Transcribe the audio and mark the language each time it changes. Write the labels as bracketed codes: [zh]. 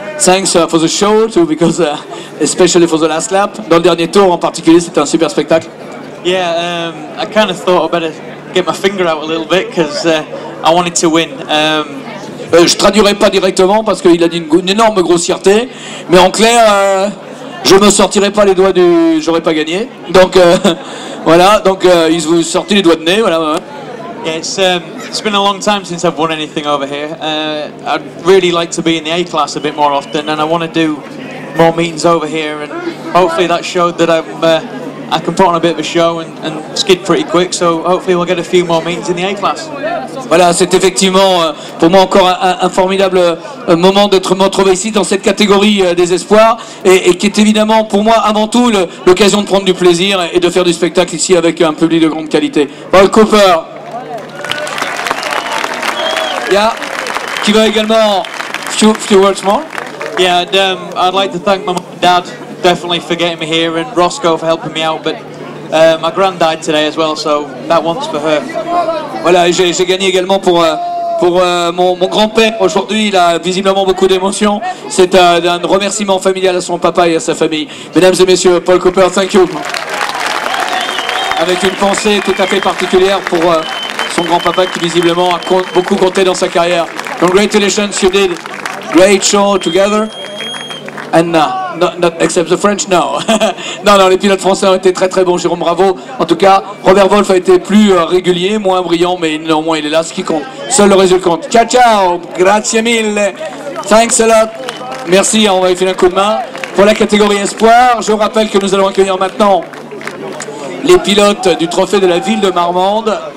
[en] Thanks for the show too, because especially for the last lap. [fr] Dans le dernier tour en particulier, c'était un super spectacle. [en] Yeah, I kind of thought I better get my finger out a little bit because I wanted to win. [fr] Je traduirai pas directement parce qu'il a dit une énorme grossièreté, mais en clair, je me sortirai pas les doigts du, j'aurais pas gagné. Donc voilà, donc il vous sortit les doigts de nez, voilà. [en] Yeah, it's been a long time since I've won anything over here. I'd really like to be in the A class a bit more often, and I want to do more meetings over here. And hopefully that showed that I'm I can put on a bit of a show and skid pretty quick. So hopefully we'll get a few more meetings in the A class. [fr] Voilà, c'est effectivement pour moi encore un formidable moment d'être retrouvé ici dans cette catégorie des espoirs et qui est évidemment pour moi avant tout l'occasion de prendre du plaisir et de faire du spectacle ici avec un public de grande qualité. Paul Cooper. [en] Yeah, qui va également few words more. Yeah, and, I'd like to thank my mom and dad definitely for getting me here and Roscoe for helping me out, but my grand died today as well, so that one's for her. [fr] Voilà, j'ai gagné également pour mon grand-père aujourd'hui. Il a visiblement beaucoup d'émotions. C'est un remerciement familial à son papa et à sa famille. Mesdames et messieurs, Paul Cooper, thank you. Avec une pensée tout à fait particulière pour son grand-papa qui visiblement a beaucoup compté dans sa carrière. [en] Congratulations, you did great show together. And not except the French, no. [fr] non, les pilotes français ont été très très bons, Jérôme, bravo. En tout cas, Robert Wolff a été plus régulier, moins brillant, mais néanmoins il est là, ce qui compte. Seul le résultat compte. [it] Ciao, ciao, grazie mille. Thanks a lot. [fr] Merci, on va lui filer un coup de main. Pour la catégorie espoir, je rappelle que nous allons accueillir maintenant les pilotes du trophée de la ville de Marmande.